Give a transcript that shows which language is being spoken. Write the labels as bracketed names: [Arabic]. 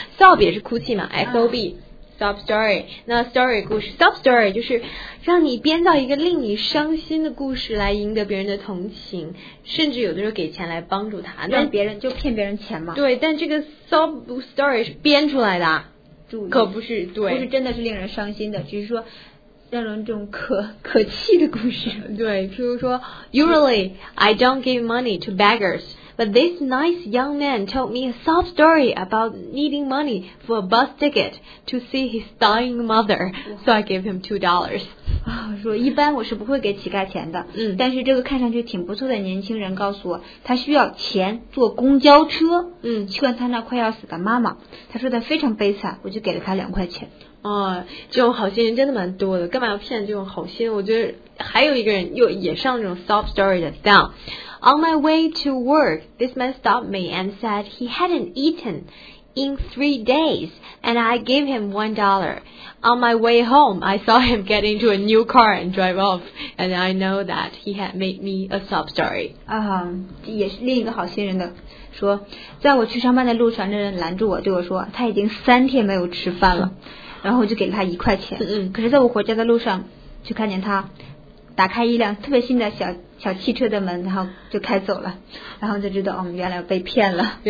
[Chinese] Sob 也是哭泣嘛 ，sob， sob story。那 story 故事 ，sob story 就是让你编造一个令你伤心的故事来赢得别人的同情，甚至有的时候给钱来帮助他，让别人就骗别人钱嘛。对，但这个 sob story 是编出来的，可不是，对，不是真的是令人伤心的，只是说。让人这种可气的故事。对，譬如说 [English] Usually I don't give money to beggars But this nice young man told me a soft story about needing money for a bus ticket to see his dying mother. So I gave him $2. [Chinese] 说一般我是不会给乞丐钱的、嗯、但是这个看上去挺不错的年轻人告诉我他需要钱坐公交车、嗯、去看他那快要死的妈妈他说他非常悲惨我就给了他2块钱哦，这种好心人真的蛮多的干嘛要骗这种好心我觉得还有一个人又也上这种 [English] soft story 的 down On my way to work this man stopped me and said he hadn't eaten in 3 days and I gave him $1 On my way home I saw him get into a new car and drive off and I know that he had made me a sob story [Chinese] 也是另一个好心人的说在我去上班的路上那人拦住我对我说他已经3天没有吃饭了然后我就给了他1块钱可是在我回家的路上就看见他打开一辆特别新的小汽车的门然后就开走了然后就知道、哦、原来被骗了